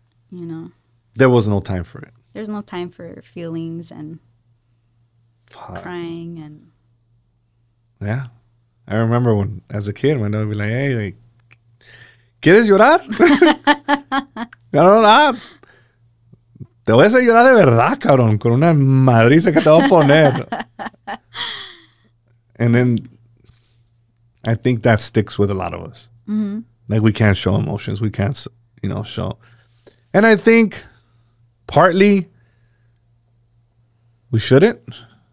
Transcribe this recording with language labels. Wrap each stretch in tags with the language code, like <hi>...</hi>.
<en>You know, there was no time for it. There's no time for feelings and crying and. Yeah. I remember when, as a kid, my dad would be like, hey, like,</en> <es>¿quieres llorar? Cabrón, ah, te voy a hacer llorar de verdad, cabrón, con una madriza que te voy a poner.</es> <en>And then I think that sticks with a lot of us. Mm-hmm. Like, we can't show emotions. We can't, you know, show. And I think partly we shouldn't.</en>